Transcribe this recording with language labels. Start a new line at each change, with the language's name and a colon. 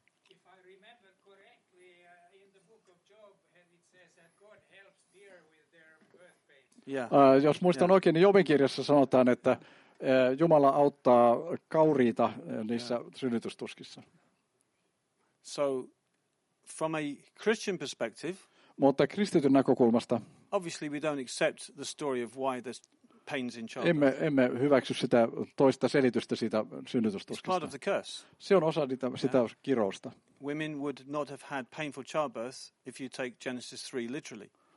English: If I remember correctly, in the book of Job, it says that God helps deer with their birth pains.
Finnish: Jos muistan oikein, niin Jobin kirjassa sanotaan, että Jumala auttaa kauriita niissä synnytystuskissa.
English: So, from a Christian perspective.
Finnish: Mutta kristityn näkökulmasta.
English: Obviously we don't accept the story of why there's pains in childbirth.
Finnish: Emme hyväksy sitä toista selitystä siitä synnytystuskista.
English: It's part of the curse.
Finnish: Se on osa sitä kirousta.
English: Women would not have had painful childbirth if you take Genesis 3 literally.